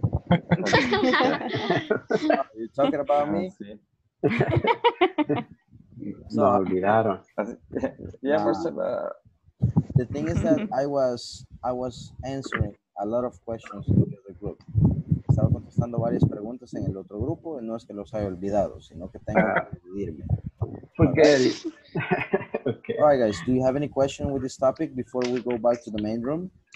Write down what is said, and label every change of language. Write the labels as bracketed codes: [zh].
[en] Are you talking about me? [es] Sí. Nos olvidaron. [en] The thing is that I was answering a lot of questions in the other group. [es] Estaba contestando varias preguntas en el otro grupo y no es que los haya olvidado, sino que tengo que dividirme. [en] Okay. Okay. All right, guys, do you have any question with this topic before we go back to the main room?